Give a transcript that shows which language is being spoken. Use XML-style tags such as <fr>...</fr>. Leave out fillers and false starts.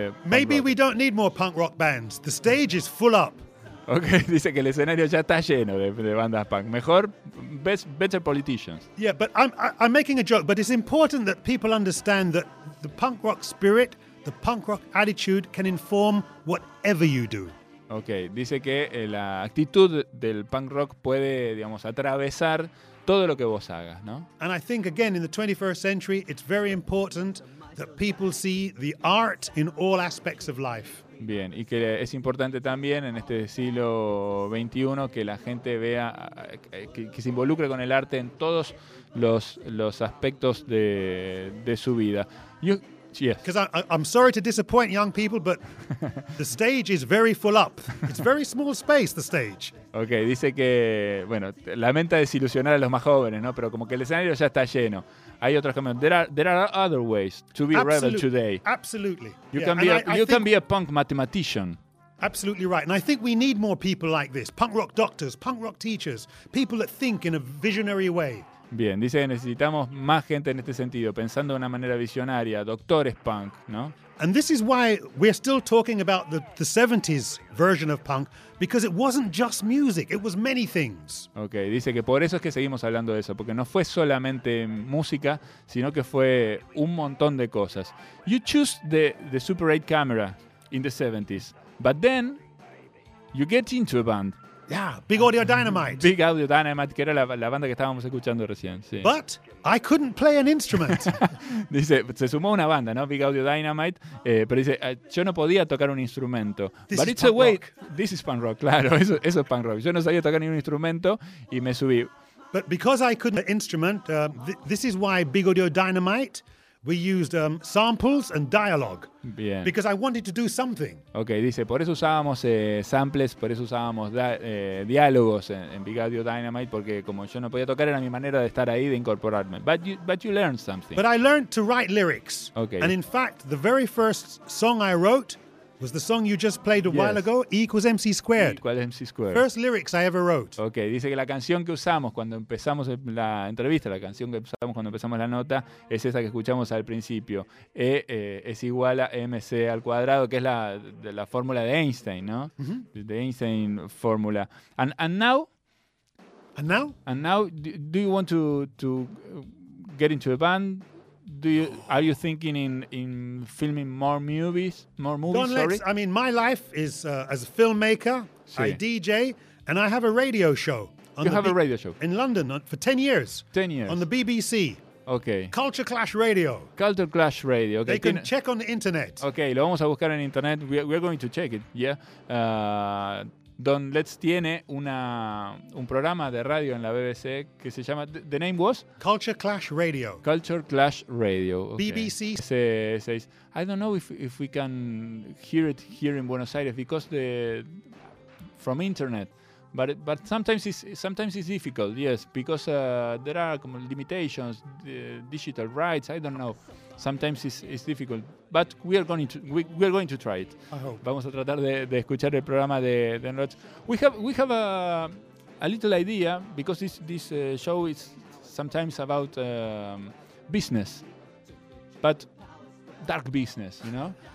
<en>Maybe we don't need more punk rock bands. The stage is full up.</en> <es>Okay, dice que el escenario ya está lleno de bandas punk. Mejor,</es> <en>better politicians. Yeah, but I'm making a joke, but it's important that people understand that the punk rock spirit, the punk rock attitude can inform whatever you do.</en> <es>Okay, dice que la actitud del punk rock puede, digamos, atravesar todo lo que vos hagas, ¿no?</es> <en>And I think, again, in the 21st century, it's very important that people see the art in all aspects of life.</en> <es>Bien, y que es importante también en este siglo XXI que la gente vea, que se involucre con el arte en todos los aspectos de su vida.</es> <en>Yes. Because I'm sorry to disappoint young people, but the stage is very full up. It's very small space, the stage.</en> <es>Okay, dice que, bueno, lamenta desilusionar a los más jóvenes, ¿no? Pero como que el escenario ya está lleno. Hay otros caminos.</es> <en>There are other ways to be a rebel today. Absolutely. You can be a punk mathematician. Absolutely right. And I think we need more people like this. Punk rock doctors, punk rock teachers, people that think in a visionary way.</en> <es>Bien, dice que necesitamos más gente en este sentido, pensando de una manera visionaria, doctores punk, ¿no?</es> <en>And this is why we're still talking about the 70s version of punk, because it wasn't just music, it was many things.</en> <es>Okay, dice que por eso es que seguimos hablando de eso, porque no fue solamente música, sino que fue un montón de cosas.</es> <en>You choose the Super 8 camera in the 70s, but then you get into a band. Yeah, Big Audio Dynamite.</en> <es>Big Audio Dynamite, que era la banda que estábamos escuchando recién, sí.</es> <en>But I couldn't play an instrument.</en> <es>Dice, se sumó una banda, ¿no? Big Audio Dynamite, pero dice, yo no podía tocar un instrumento.</es> <en>This but is it's punk a way. Rock. This is punk rock,</en> <es>claro, eso es punk rock. Yo no sabía tocar ningún instrumento y me subí.</es> <en>But because I couldn't play an instrument, this is why Big Audio Dynamite, we used samples and dialogue.</en> <es>Bien.</es> <en>Because I wanted to do something.</en> <es>Okay, dice, por eso usábamos samples, por eso usábamos diálogos en Big Audio Dynamite, porque como yo no podía tocar, era mi manera de estar ahí, de incorporarme.</es> <en>But you learned something. But I learned to write lyrics. Okay. And in fact, the very first song I wrote was the song you just played a yes. while ago, E equals MC squared. E equals MC squared. First lyrics I ever wrote.</en> <es>Okay, dice que la canción que usamos cuando empezamos la entrevista, la canción que usamos cuando empezamos la nota, es esa que escuchamos al principio. E es igual a MC al cuadrado, que es la fórmula de Einstein, ¿no? Mm-hmm.</es> <en>The Einstein formula. And now? And now? And now, do you want to get into a band? Are you thinking in filming more movies? More movies, Don sorry? Lex, I mean, my life is as a filmmaker, sí. I DJ, and I have a radio show. You have a radio show? In London for 10 years. 10 years. On the BBC. Okay. Culture Clash Radio. Culture Clash Radio. Okay. They can check on the internet. Okay,</en> <es>lo vamos a buscar en internet.</es> <en>We're going to check it, yeah.</en> <es>Don Letts tiene un programa de radio en la BBC que se llama...</es> <en>The name was? Culture Clash Radio. Culture Clash Radio. Okay. BBC. Says, I don't know if we can hear it here in Buenos Aires because the... From internet. But sometimes it's difficult, yes, because there are limitations, digital rights. I don't know. Sometimes it's difficult, but we are going to try it. I hope.</en> <es>Vamos a tratar de escuchar el programa de Don Letts.</es> <en>We have a little idea because this show is sometimes about business, but dark business, you know.</en>